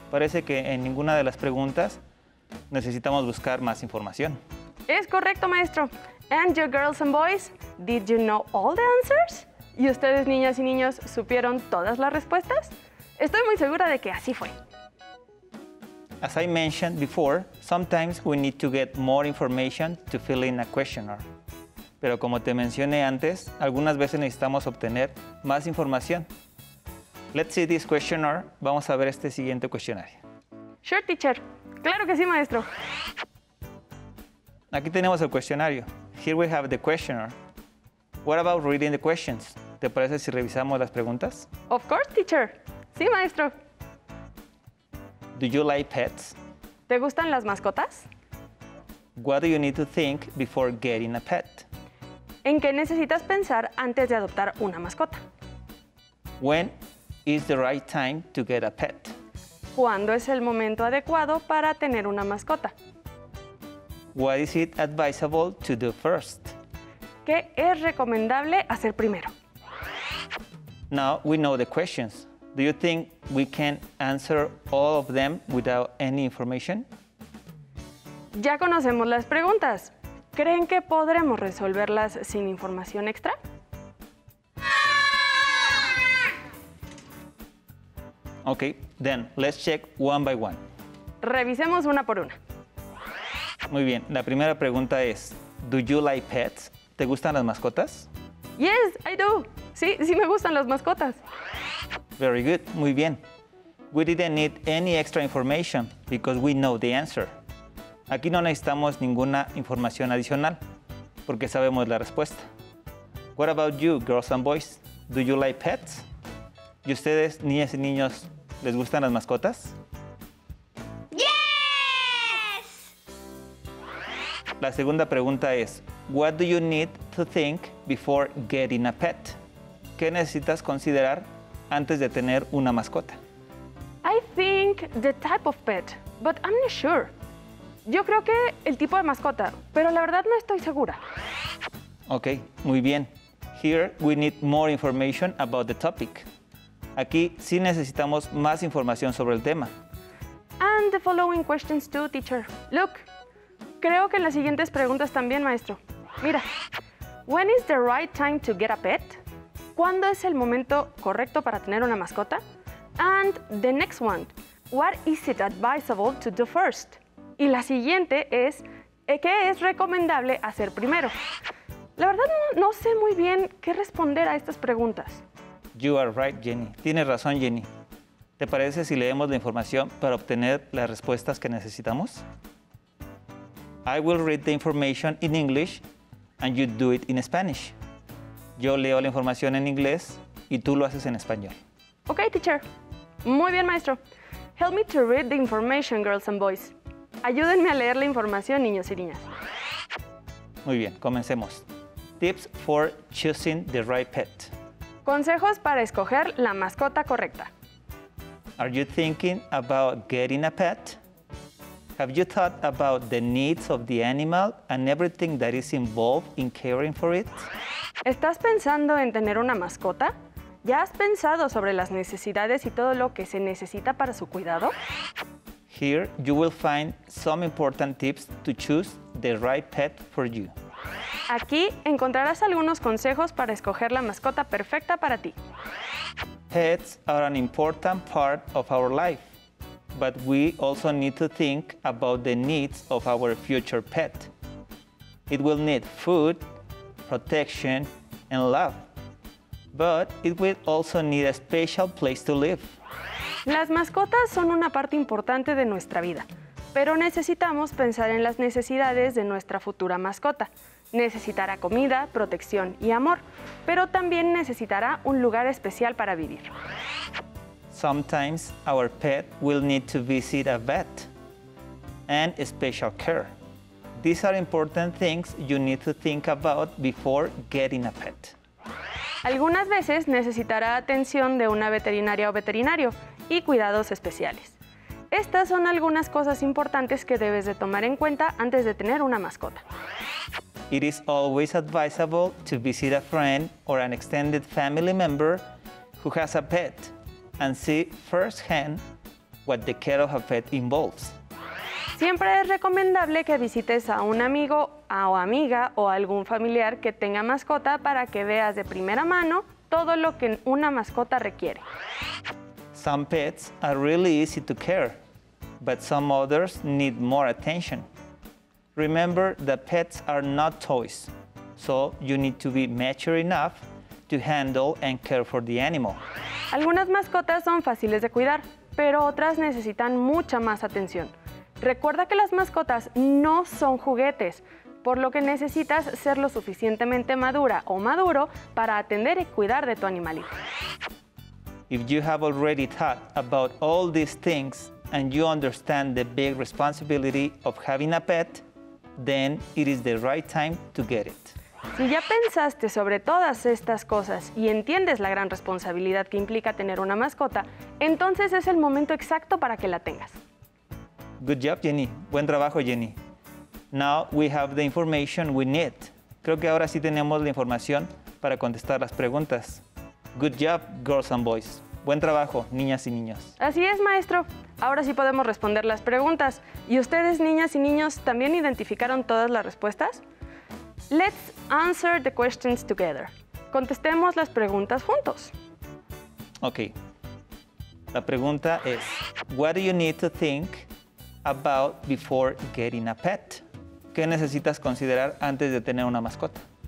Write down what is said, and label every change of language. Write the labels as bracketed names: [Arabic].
[Spanish] Parece que en ninguna de las preguntas necesitamos buscar más información. Es correcto, maestro. [English] And you girls and boys, did you know all the answers? [Spanish] ¿Y ustedes, niñas y niños, supieron todas las respuestas? Estoy muy segura de que así fue. [English] As I mentioned before, sometimes we need to get more information to fill in a questionnaire. [Spanish] Pero como te mencioné antes, algunas veces necesitamos obtener más información. [English] Let's see this questionnaire. [Spanish] Vamos a ver este siguiente cuestionario. [English] Sure, teacher. [Spanish] Claro que sí, maestro. Aquí tenemos el cuestionario. [English] Here we have the questionnaire. What about reading the questions? [Spanish] ¿Te parece si revisamos las preguntas? [English] Of course, teacher. [Spanish] Sí, maestro. [English] Do you like pets? [Spanish] ¿Te gustan las mascotas? [English] What do you need to think before getting a pet? [Spanish] ¿En qué necesitas pensar antes de adoptar una mascota? [English] When is the right time to get a pet? [Spanish] ¿Cuándo es el momento adecuado para tener una mascota? [English] What is it advisable to do first? [Spanish] ¿Qué es recomendable hacer primero? [English] Now we know the questions. Do you think we can answer all of them without any information? [Spanish] Ya conocemos las preguntas. ¿Creen que podremos resolverlas sin información extra? [English] Okay, then let's check one by one. [Spanish] Revisemos una por una. Muy bien, la primera pregunta es, [English] do you like pets? [Spanish] ¿Te gustan las mascotas? [English] Yes, I do. [Spanish] Sí, sí me gustan las mascotas. [English] Very good, [Spanish] muy bien. [English] We didn't need any extra information because we know the answer. [Spanish] Aquí no necesitamos ninguna información adicional porque sabemos la respuesta. [English] What about you, girls and boys? Do you like pets? [Spanish] ¿Y ustedes, niñas y niños, les gustan las mascotas? [English] ¡Yes! [Spanish] La segunda pregunta es, [English] what do you need to think before getting a pet? [Spanish] ¿Qué necesitas considerar antes de tener una mascota? [English] I think the type of pet, but I'm not sure. [Spanish] Yo creo que el tipo de mascota, pero la verdad no estoy segura. Okay, muy bien. [English] Here we need more information about the topic. [Spanish] Aquí sí necesitamos más información sobre el tema. [English] And the following questions too, teacher. Look, [Spanish] creo que en las siguientes preguntas también, maestro. Mira, [English] when is the right time to get a pet? [Spanish] ¿Cuándo es el momento correcto para tener una mascota? [English] And the next one, what is it advisable to do first? [Spanish] Y la siguiente es, ¿qué es recomendable hacer primero? La verdad, no sé muy bien qué responder a estas preguntas. [English] You are right, Jenny. [Spanish] Tienes razón, Jenny. ¿Te parece si leemos la información para obtener las respuestas que necesitamos? [English] I will read the information in English and you do it in Spanish. [Spanish] Yo leo la información en inglés y tú lo haces en español. [English] Okay, teacher. [Spanish] Muy bien, maestro. [English] Help me to read the information, girls and boys. [Spanish] Ayúdenme a leer la información, niños y niñas. Muy bien, comencemos. [English] Tips for choosing the right pet. [Spanish] Consejos para escoger la mascota correcta. [English] Are you thinking about getting a pet? Have you thought about the needs of the animal and everything that is involved in caring for it? [Spanish] ¿Estás pensando en tener una mascota? ¿Ya has pensado sobre las necesidades y todo lo que se necesita para su cuidado? [English] Here you will find some important tips to choose the right pet for you. [Spanish] Aquí encontrarás algunos consejos para escoger la mascota perfecta para ti. [English] Pets are an important part of our life, but we also need to think about the needs of our future pet. It will need food, protection, and love, but it will also need a special place to live. [Spanish] Las mascotas son una parte importante de nuestra vida, pero necesitamos pensar en las necesidades de nuestra futura mascota. Necesitará comida, protección y amor, pero también necesitará un lugar especial para vivir. [English] Sometimes our pet will need to visit a vet and special care. These are important things you need to think about before getting a pet. [Spanish] Algunas veces necesitará atención de una veterinaria o veterinario y cuidados especiales. Estas son algunas cosas importantes que debes de tomar en cuenta antes de tener una mascota. [English] It is always advisable to visit a friend or an extended family member who has a pet and see firsthand what the care of a pet involves. [Spanish] Siempre es recomendable que visites a un amigo o amiga o algún familiar que tenga mascota para que veas de primera mano todo lo que una mascota requiere. [English] Some pets are really easy to care, but some others need more attention. Remember that pets are not toys, so you need to be mature enough to handle and care for the animal. [Spanish] Algunas mascotas son fáciles de cuidar, pero otras necesitan mucha más atención. Recuerda que las mascotas no son juguetes, por lo que necesitas ser lo suficientemente madura o maduro para atender y cuidar de tu animalito. [English] If you have already thought about all these things and you understand the big responsibility of having a pet, then it is the right time to get it. [Spanish] Si ya pensaste sobre todas estas cosas y entiendes la gran responsabilidad que implica tener una mascota, entonces es el momento exacto para que la tengas. [English] Good job, Jenny. [Spanish] Buen trabajo, Jenny. [English] Now we have the information we need. [Spanish] Creo que ahora sí tenemos la información para contestar las preguntas. [English] Good job, girls and boys. [Spanish] Buen trabajo, niñas y niños. Así es, maestro. Ahora sí podemos responder las preguntas. ¿Y ustedes, niñas y niños, también identificaron todas las respuestas? [English] Let's answer the questions together. [Spanish] Contestemos las preguntas juntos. [English] Ok. [Spanish] La pregunta es, [English] what do you need to think about before getting a pet? [Spanish] ¿Qué necesitas considerar antes de tener una mascota?